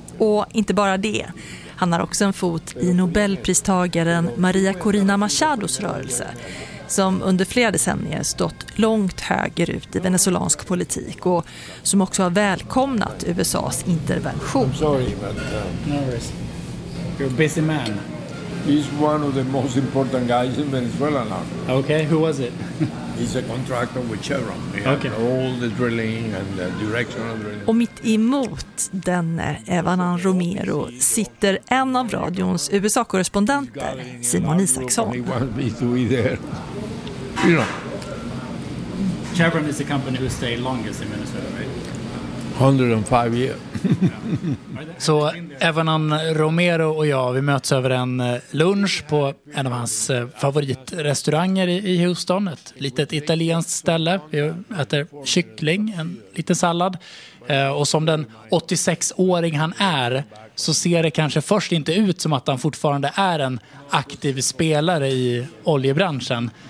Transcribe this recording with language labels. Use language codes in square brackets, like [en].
[sv] Och inte bara det, han har också en fot i Nobelpristagaren Maria Corina Machados rörelse, som under flera decennier stått långt höger ut i venezuelansk politik och som också har välkomnat USA:s intervention. [en] I'm sorry, but nervous. You're a busy man. He's one of the most important guys in Venezuela now. Okay, who was it? He's a contractor with Chevron. Okay. All the drilling and the directional drilling. [sv] Och mitt emot denne Evanan Romero sitter en av radions USA-korrespondenter, Simon Isaksson. [en] He wants me to be there. Chevron is the company who stayed longest in Venezuela, right? [sv] 105 år. Så Evanan Romero och jag, vi möts över en lunch på en av hans favoritrestauranger i Houston. Ett litet italienskt ställe. Vi äter kyckling, en liten sallad. Och som den 86-åring han är, så ser det kanske först inte ut som att han fortfarande är en aktiv spelare i oljebranschen.